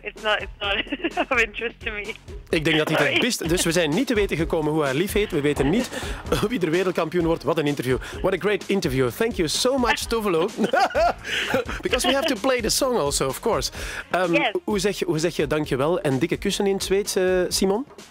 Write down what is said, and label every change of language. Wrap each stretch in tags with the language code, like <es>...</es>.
<en>It's not of interest to me.</en> <nl>Ik denk dat hij het wist. Dus we zijn niet te weten gekomen hoe hij lief heet. We weten niet wie er wereldkampioen wordt. Wat een interview.</nl> <en>What a great interview. Thank you so much, Tove Lo. Because we have to play the song also, of course. Yes.</en> <nl>Hoe zeg je dankjewel en dikke kussen in het Zweeds, Simon?</nl>